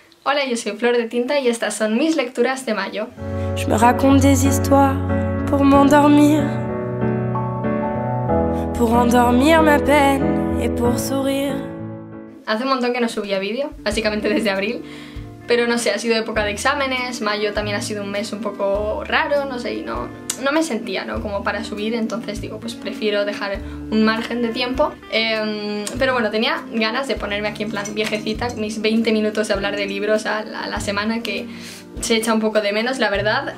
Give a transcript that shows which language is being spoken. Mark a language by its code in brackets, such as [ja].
[es] Hola, yo soy Flor de Tinta y estas son mis lecturas de mayo. [fr] Je me raconte des histoires pour m'endormir. Pour endormir ma peine et pour sourire. [es] Hace un montón que no subía vídeo, básicamente desde abril. Pero no sé, ha sido época de exámenes, mayo también ha sido un mes un poco raro, no sé, y no me sentía, ¿no?, como para subir, entonces digo, pues prefiero dejar un margen de tiempo. Pero bueno, tenía ganas de ponerme aquí en plan viejecita, mis 20 minutos de hablar de libros a la semana, que se echa un poco de menos, la verdad.